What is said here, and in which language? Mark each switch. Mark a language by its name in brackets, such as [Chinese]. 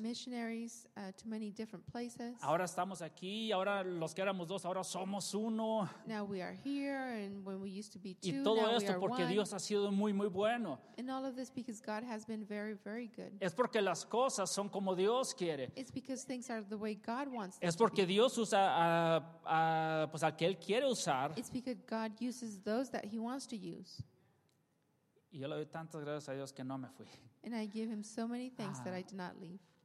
[English] Missionaries to many different places. [Spanish] Ahora estamos aquí, ahora los que éramos dos, ahora somos uno. [English] Now we are here, and when we used to be two, now we are one. [Spanish] Y todo esto porque Dios ha sido muy, muy bueno. [English] And all of this because God has been very, very good. [Spanish] Es porque las cosas son como Dios. Dios quiere. [English] It's because things are the way God wants them. [Spanish] Es porque Dios usa pues al que Él quiere usar. [English] It's because God uses those that He wants to use. [Spanish] Y yo le doy tantas gracias a Dios que no me fui. [English] And I give Him so many thanks that I did not leave.